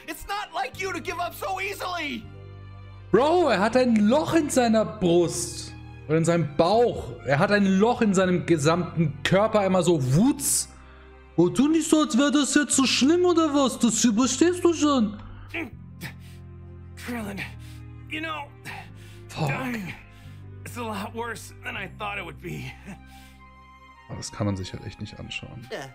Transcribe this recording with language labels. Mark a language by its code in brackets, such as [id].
[en] It's not like you to give up so easily. [de] Bro, er hat ein Loch in seiner Brust. Oder in seinem Bauch. Er hat ein Loch in seinem gesamten Körper. Immer so, wutz. Oh, tu nicht so, als wäre das jetzt so schlimm oder was. Das überstehst du schon. [en] Krillin, you know... Dying. It's a lot worse than I thought it would be. [de] Aber das kann man sich halt echt nicht anschauen.